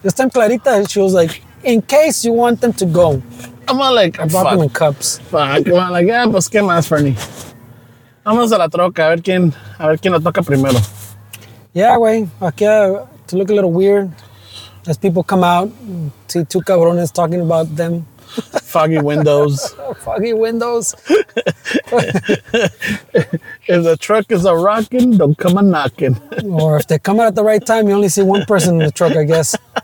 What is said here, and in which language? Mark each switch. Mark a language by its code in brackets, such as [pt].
[en] This time, Clarita, she was like, in case you want them to go. I'm all like, I brought fuck. Them in cups. Fuck, I'm all like, yeah, [es] pues, ¿qué más, [en] Fernie? [es] Vamos a la troca, a ver quién lo toca primero. [en] Yeah, güey. Aquí, to look a little weird as people come out, see two cabrones talking about them. Foggy windows. Foggy windows. If the truck is a rocking, don't come a knocking. Or if they come out at the right time, you only see one person in the truck, I guess.